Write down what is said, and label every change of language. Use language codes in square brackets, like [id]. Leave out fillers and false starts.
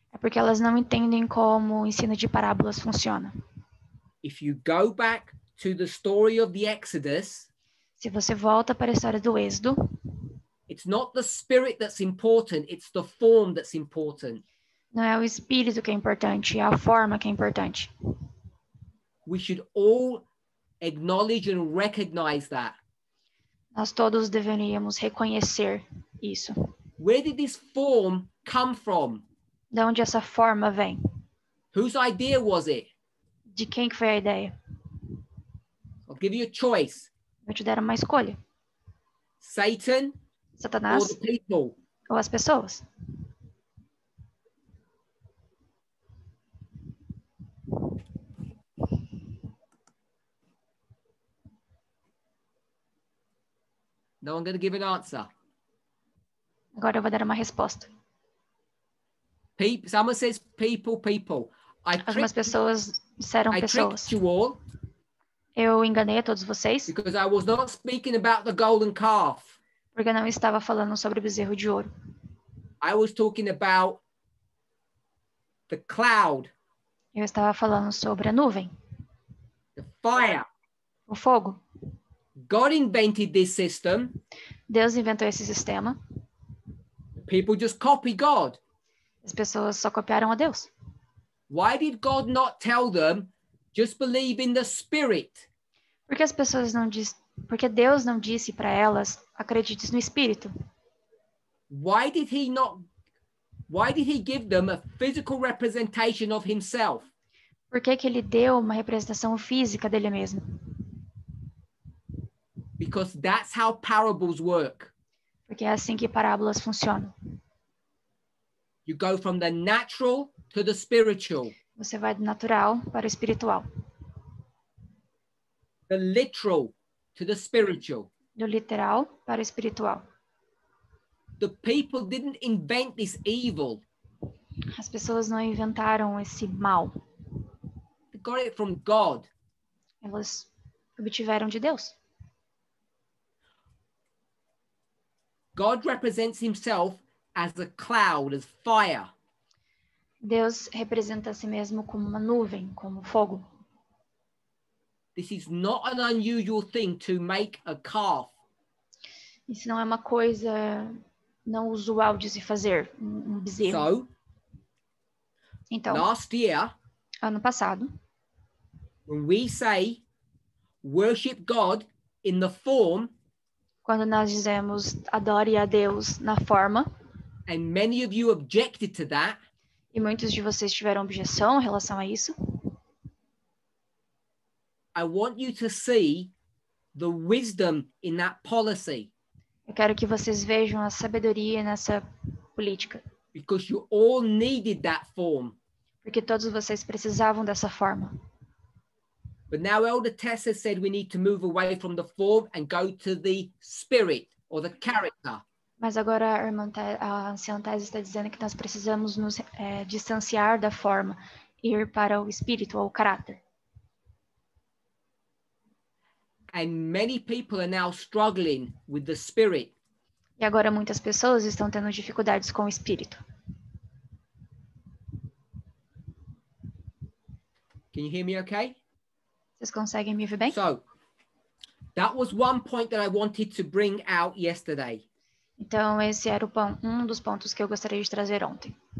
[pt] É porque elas não entendem como o ensino de parábolas funciona. [en] If you go back to the story of the Exodus, [pt] se você volta para a história do Êxodo, [en] it's not the spirit that's important, it's the form that's important. [pt] Não é o espírito que é importante, é a forma que é importante. [en] We should all acknowledge and recognize that. [pt] Nós todos deveríamos reconhecer isso. [en] Where did this form come from? [pt] De onde essa forma vem? [en] Whose idea was it? [pt] De quem que foi a ideia? [en] I'll give you a choice. [pt] Vou te dar uma escolha. [en] Satan, [pt] Satanás, [en] or the people? [pt] Ou as pessoas? [en] Now I'm going to give an answer. [pt] Agora eu vou dar uma resposta. [en] Someone says people. [pt] Algumas pessoas disseram pessoas. [en] I tricked you all. [pt] Eu enganei a todos vocês. [en] Because I was not speaking about the golden calf. [pt] Porque eu não estava falando sobre o bezerro de ouro. [en] I was talking about the cloud. [pt] Eu estava falando sobre a nuvem. [en] The fire. [pt] O fogo. [en] God invented this system. [pt] Deus inventou esse sistema. [en] People just copied God. [pt] As pessoas só copiaram a Deus. [en] Why did God not tell them, just believe in the Spirit? [pt] Porque as pessoas não diz, porque Deus não disse para elas, acredite no Espírito. [en] Why did he give them a physical representation of himself? [pt] Por que ele deu uma representação física dele mesmo? [en] Because that's how parables work. [pt] Porque é assim que parábolas funcionam. [en] You go from the natural to the spiritual. [pt] Você vai do natural para o espiritual. [en] The literal to the spiritual. [pt] Do literal para o espiritual. [en] The people didn't invent this evil. [pt] As pessoas não inventaram esse mal. [en] They got it from God. [pt] Elas obtiveram de Deus. [en] God represents himself as a cloud, as fire. [pt] Deus representa a si mesmo como uma nuvem, como fogo. [en] This is not an unusual thing to make a calf. [pt] Isso não é uma coisa não usual de se fazer, um bezerro. [en] So, [pt] então, [en] last year, [pt] ano passado, [en] when we say worship God in the form, [pt] quando nós dizemos adore a Deus na forma, [en] and many of you objected to that, [pt] e muitos de vocês tiveram objeção em relação a isso, [en] I want you to see the wisdom in that policy. [pt] Eu quero que vocês vejam a sabedoria nessa política. [en] Because you all needed that form. [pt] Porque todos vocês precisavam dessa forma. [en] But now Elder Tess has said we need to move away from the form and go to the spirit or the character. [pt] Mas agora a irmã a anciã Tess está dizendo que nós precisamos nos distanciar da forma e ir para o espírito ou o caráter. [en] And many people are now struggling with the spirit. [pt] E agora muitas pessoas estão tendo dificuldades com o espírito. [en] Can you hear me okay? [pt] Vocês conseguem me ouvir bem? [en] So, that was one point that I wanted to bring out yesterday. [pt] Então, esse era um dos pontos que eu gostaria de trazer ontem.